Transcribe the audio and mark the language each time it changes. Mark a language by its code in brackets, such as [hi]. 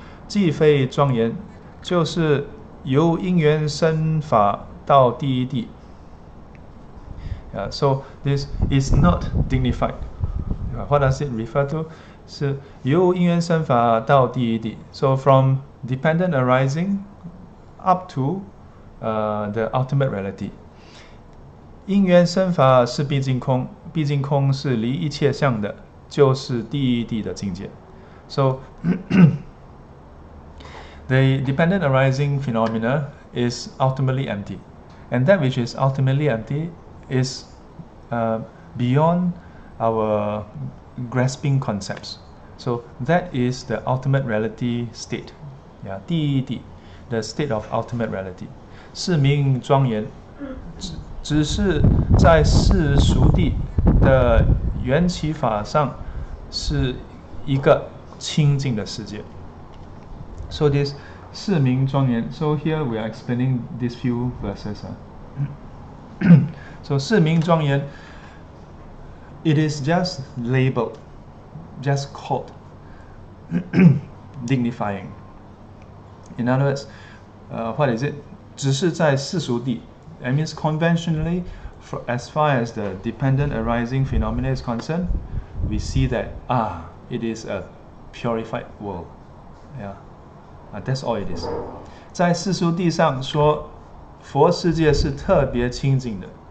[zh] 既非庄严，就是由因缘生法到第一地。 [en] So, this is not dignified. What does it refer to? [zh] 是由因缘生法到第一地。 [en] So, from dependent arising up to the ultimate reality. [zh] 因缘生法是毕竟空。毕竟空是离一切相的，就是第一地的境界。 [en] So, the dependent arising phenomena is ultimately empty. And that which is ultimately empty is beyond our grasping concepts. So, that is the ultimate reality state. Yeah, 第一地, the state of ultimate reality. [zh] 是名庄严, 只是在世俗地的缘起法上是一个清净的世界。 [en] So this [zh] 四名庄严 [en] So here we are explaining these few verses. So [zh] 四名庄严 [en] It is just labeled, just called dignifying. In other words, what is it? [zh] 只是在世俗地 [en] That means conventionally,As far as the dependent arising phenomena is concerned, we see that it is a purified world. Yeah, that's all it is. [zh] 在世俗地上说，佛世界是特别清净的。